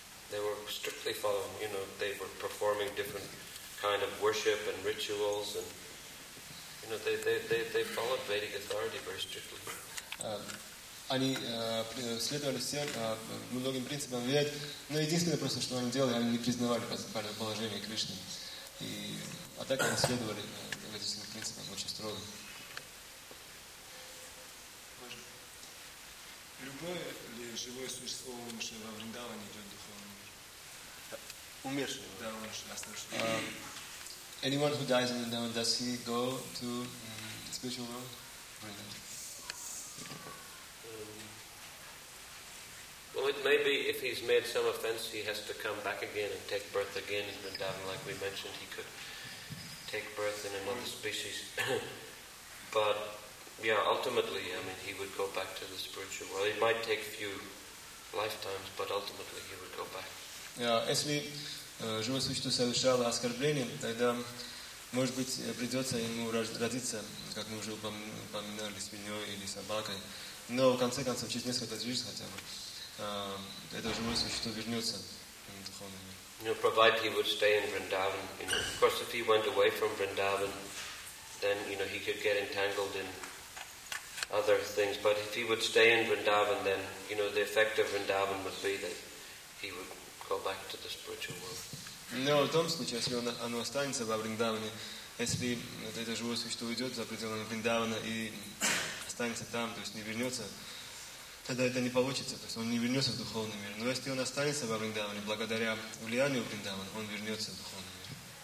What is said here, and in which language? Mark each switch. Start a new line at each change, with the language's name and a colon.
English: They were strictly following, you know, they were performing different kind of worship and rituals and, you know, they followed Vedic authority very strictly.
Russian: Они следовали всем многим принципам Вед, но единственное просто, что они делали, они не признавали положение Кришны. И, а так они следовали этим принципам очень строго. Любое ли живое существо умершее во Вриндаване идет в духовный мир? Умершее? Да, умершее, оставшее.
English: Anyone who dies in Vrindavan, does he go to the spiritual world? Vrindavan. Well, it may be if he's made some offense, he has to come back again and take birth again in Vrindavan. Like we mentioned, he could take birth in another species. But, yeah, ultimately, I mean, he would go back to the spiritual world. It might take a few lifetimes, but ultimately he would go back. Yeah, actually,
Russian: живое существо совершало оскорбление, тогда, может быть, придется ему родиться, как мы уже упоминали, свиньей или собакой. Но, в конце концов, через несколько жизней хотя бы, это живое существо вернется в духовный мир.
English: You know, provided he would stay in Vrindavan. You know, of course, if he went away from Vrindavan, then, you know, he could get entangled in other things. But if he would stay in Vrindavan, then, you know, the effect of Vrindavan would be that he would go back to the spiritual world.
Russian: Но в том случае, если оно останется во Вриндаване, если это живое существо уйдет за пределами Вриндавана и останется там, то есть не вернется, тогда это не получится, то есть он не вернется в духовный мир. Но если он останется во Вриндаване, благодаря влиянию Вриндавана, он вернется в духовный мир.